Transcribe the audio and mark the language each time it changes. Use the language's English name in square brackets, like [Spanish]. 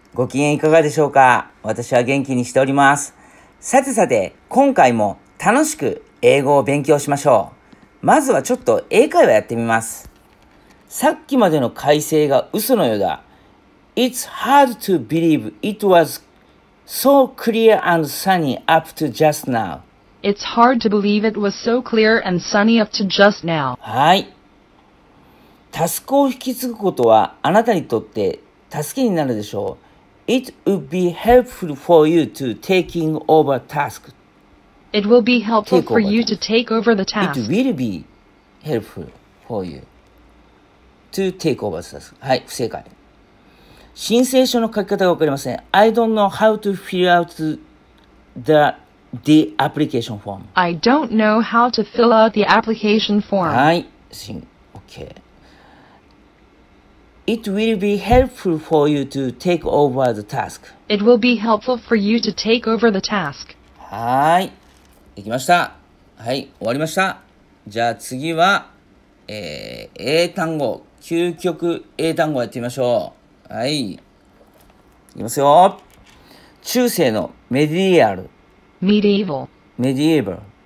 [Japanese] ご機嫌いかがでしょうか？私は元気にしております。さてさて、今回も楽しく英語を勉強しましょう。まずはちょっと英会話やってみます。さっきまでの改正が嘘のようだ。 [English] It's hard to believe it was so clear and sunny up to just now. It's hard to believe it was so clear and sunny up to just now. [Japanese] はい。タスクを引き継ぐことはあなたにとって助けになるでしょう。 [English] It would be helpful for you to taking over task. It will be helpful for you to take over the task. It will be helpful for you to take over the task. [Japanese] はい、不正解。申請書の書き方がわかりません。 [English] I don't know how to fill out the application form. I don't know how to fill out the application form. [Japanese] はい、OK。 [English] It will be helpful for you to take over the task. It will be helpful for you to take over the task. [Japanese] はい、できました。はい、終わりました。じゃあ次は、英単語、究極英単語やってみましょう。はい、いきますよ。中世のメディアル。 [English] メディエヴァル。メディエヴァル。